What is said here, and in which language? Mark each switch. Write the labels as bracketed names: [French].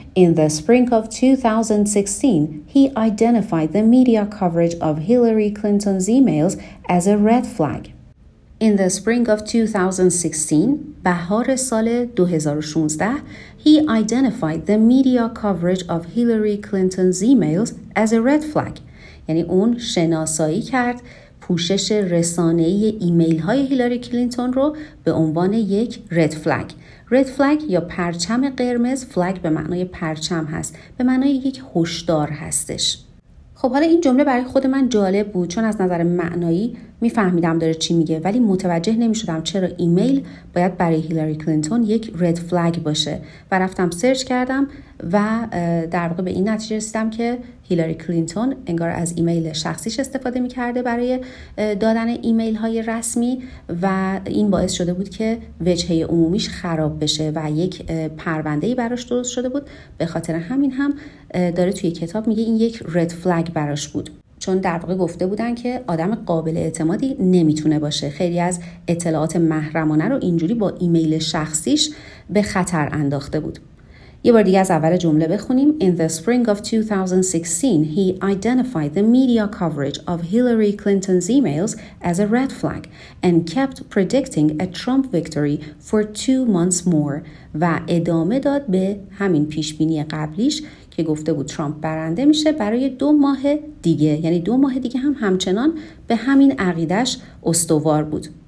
[English] In the spring of 2016, he identified the media coverage of Hillary Clinton's emails as a red flag. In the spring of 2016, [Persian] بهار سال 2016، [English] he identified the media coverage of Hillary Clinton's emails as a red flag. [Persian] یعنی اون شناسایی کرد پوشش رسانه‌ای ایمیل‌های هیلاری کلینتون رو به عنوان یک رد فلگ. رد فلگ یا پرچم قرمز، فلگ به معنای پرچم هست، به معنای یک هشدار هستش. خب حالا این جمله برای خود من جالب بود، چون از نظر معنایی میفهمیدم داره چی میگه، ولی متوجه نمیشدم چرا ایمیل باید برای هیلاری کلینتون یک رد فلگ باشه، و رفتم سرچ کردم و در واقع به این نتیجه رسیدم که هیلاری کلینتون انگار از ایمیل شخصیش استفاده میکرده برای دادن ایمیل های رسمی، و این باعث شده بود که وجهه عمومیش خراب بشه و یک پرونده‌ای براش درست شده بود. به خاطر همین هم داره توی کتاب میگه این یک رد فلگ براش بود، چون در واقع گفته بودن که آدم قابل اعتمادی نمیتونه باشه، خیلی از اطلاعات محرمانه رو اینجوری با ایمیل شخصیش به خطر انداخته بود. یه بار دیگه از اول جمله بخونیم. [English] In the spring of 2016, he identified the media coverage of Hillary Clinton's emails as a red flag and kept predicting a Trump victory for 2 months more. [Persian] و ادامه داد به همین پیشبینی قبلیش که گفته بود ترامپ برنده میشه برای 2 ماه دیگه. یعنی 2 ماه دیگه هم همچنان به همین عقیدش استوار بود.